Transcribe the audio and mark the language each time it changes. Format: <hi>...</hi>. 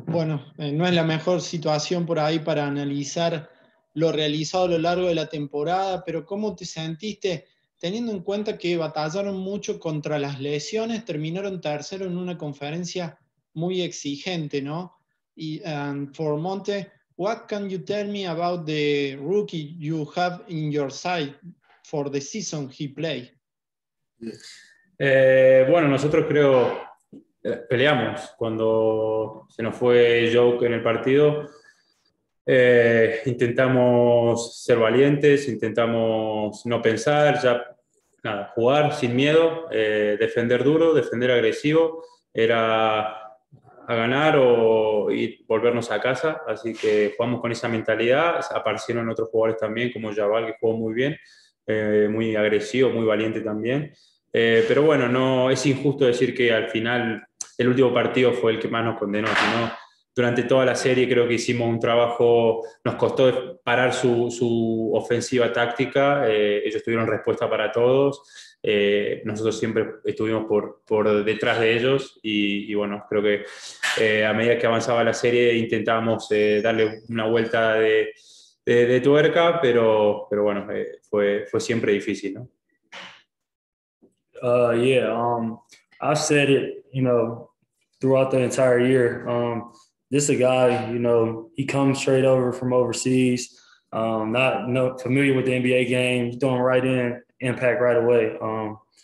<es>Bueno, no es la mejor situación por ahí para analizar lo realizado a lo largo de la temporada, pero ¿cómo te sentiste teniendo en cuenta que batallaron mucho contra las lesiones, terminaron tercero en una conferencia muy exigente, ¿no?</es> <en>Y for Monte, what can you tell me about the rookie you have in your side for the season he play?</en> <es>Bueno, nosotros creo peleamos cuando se nos fue Joke en el partido. Intentamos ser valientes, intentamos no pensar, ya nada, jugar sin miedo, defender duro, defender agresivo, era a ganar o ir, volvernos a casa, así que jugamos con esa mentalidad. Aparecieron otros jugadores también, como Jabal, que jugó muy bien, muy agresivo, muy valiente también. Pero bueno, no es injusto decir que al final el último partido fue el que más nos condenó, sino durante toda la serie creo que hicimos un trabajo, nos costó parar su ofensiva táctica, ellos tuvieron respuesta para todos, nosotros siempre estuvimos por detrás de ellos y bueno, creo que a medida que avanzaba la serie intentábamos darle una vuelta de tuerca, pero bueno, fue siempre difícil, ¿no?</es> <en>I've said it, you know, throughout the entire year. This is a guy, you know, he comes straight over from overseas, not familiar with the NBA game, he's doing right in, impact right away.</en>